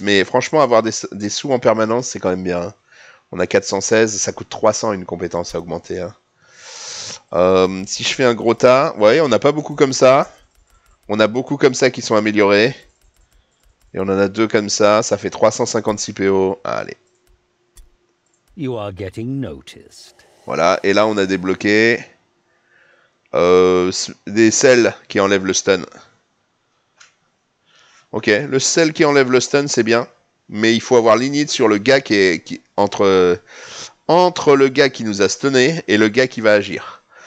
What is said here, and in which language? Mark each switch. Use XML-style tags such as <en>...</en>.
<fr>Mais franchement, avoir des sous en permanence, c'est quand même bien. On a 416, ça coûte 300 une compétence à augmenter. Hein. Si je fais un gros tas, ouais, on n'a pas beaucoup comme ça. On a beaucoup comme ça qui sont améliorés. Et on en a 2 comme ça, ça fait 356 PO. Allez.</fr> <en>You are getting noticed.</en> <fr>Voilà, et là on a débloqué... des sels qui enlèvent le stun. Ok, le sel qui enlève le stun, c'est bien. Mais il faut avoir l'init sur le gars qui entre le gars qui nous a stunné et le gars qui va agir.</fr>